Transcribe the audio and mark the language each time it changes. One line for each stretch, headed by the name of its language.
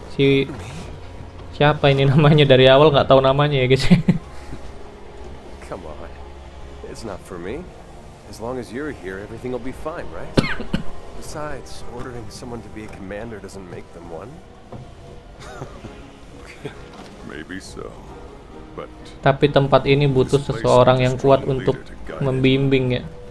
Indonesian: Si siapa ini namanya, dari awal nggak tahu namanya ya, guys.
English: Come on. It's not for me. As long as you're here, everything will be fine, right? Besides, ordering someone to be a commander doesn't make them one. Maybe so.
Indonesian: Tapi tempat ini butuh seseorang yang kuat untuk membimbingnya.